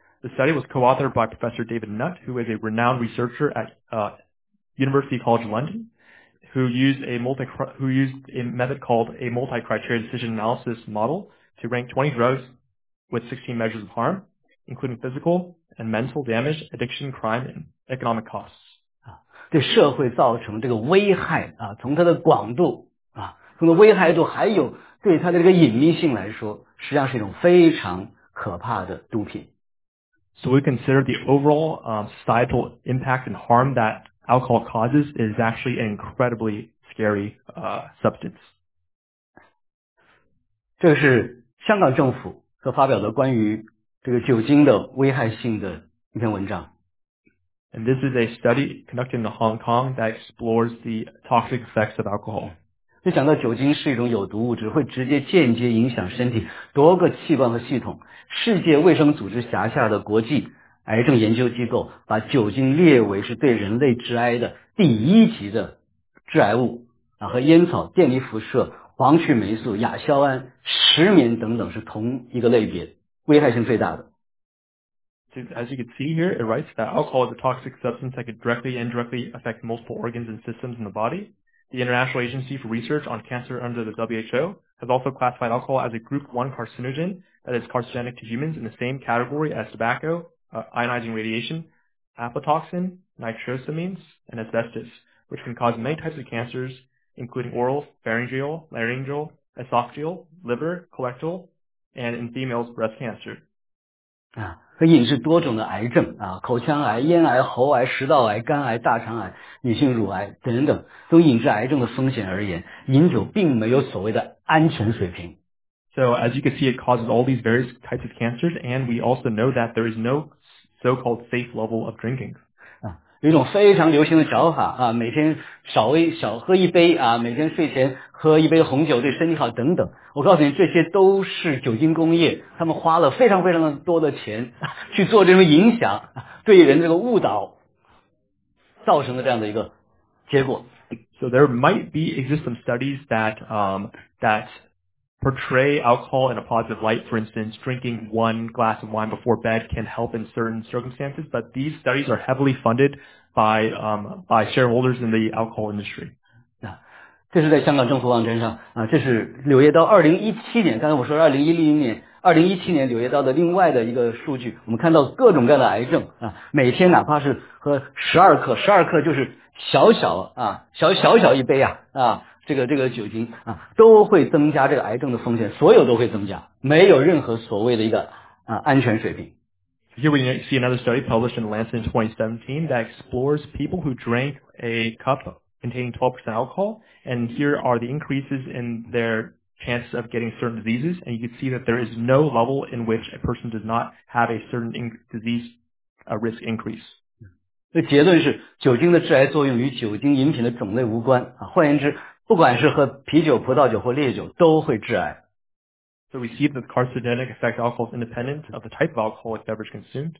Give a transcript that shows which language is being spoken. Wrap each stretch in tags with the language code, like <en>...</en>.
<en>The study was co-authored by Professor David Nutt, who is a renowned researcher at University College London, who used a method called a multi-criteria decision analysis model to rank 20 drugs with 16 measures of harm, including physical and mental damage, addiction, crime, and economic costs.</en> <zh>对社会造成这个危害啊，从它的广度啊，从它危害度，还有对它的这个隐秘性来说，实际上是一种非常可怕的毒品。</zh> <en>So we consider the overall societal impact and harm that alcohol causes is actually an incredibly scary substance.</en> <zh>这是香港政府所发表的关于这个酒精的危害性的一篇文章。</zh> <en>And this is a study conducted in Hong Kong that explores the toxic effects of alcohol.</en> <zh>就讲到酒精是一种有毒物质，会直接间接影响身体多个器官和系统。世界卫生组织辖下的国际癌症研究机构把酒精列为是对人类致癌的第一级的致癌物啊，和烟草、电离辐射、黄曲霉素、亚硝胺、石棉等等是同一个类别，危害性最大的。</zh> <en>As you can see here, it writes that alcohol is a toxic substance that could directly and indirectly affect multiple organs and systems in the body. The International Agency for Research on Cancer under the WHO has also classified alcohol as a group 1 carcinogen that is carcinogenic to humans in the same category as tobacco, ionizing radiation, aflatoxin, nitrosamines, and asbestos, which can cause many types of cancers, including oral, pharyngeal, laryngeal, esophageal, liver, colorectal, and in females, breast cancer. Ah.</en> <zh>可引致多种的癌症啊，口腔癌、咽癌、喉癌、食道癌、肝癌、大肠癌、女性乳癌等等，都引致癌症的风险而言，饮酒并没有所谓的安全水平。</zh> <en>So as you can see, it causes all these various types of cancers, and we also know that there is no so-called safe level of drinking.</en> <zh>啊，有一种非常流行的嚼法啊，每天少微少喝一杯啊，每天睡前喝一杯红酒对身体好等等，我告诉你，这些都是酒精工业他们花了非常非常多的钱去做这种影响对人这个误导造成的这样的一个结果。</zh> <en>So there might be exist some studies that, that portray alcohol in a positive light. For instance, drinking one glass of wine before bed can help in certain circumstances, but these studies are heavily funded by shareholders in the alcohol industry.</en> <zh>这是在香港政府网站上啊，这是《柳叶刀》2017年，刚才我说2010年、2017年《柳叶刀》的另外的一个数据，我们看到各种各样的癌症啊，每天哪怕是喝12克，12克就是小小啊，小小小一杯啊，啊，这个酒精啊，都会增加这个癌症的风险，所有都会增加，没有任何所谓的一个啊安全水平。</zh> <en>Here we see another study published in Lancet in 2017 that explores people who drank a cup containing 12% alcohol, and here are the increases in their chances of getting certain diseases, and you can see that there is no level in which a person does not have a certain disease risk increase.</en> <zh>结论是酒精的致癌作用与酒精饮品的种类无关，换言之，不管是喝啤酒、葡萄酒或烈酒都会致癌。</zh> <en>So we see that carcinogenic effect alcohol is independent of the type of alcoholic beverage consumed.</en>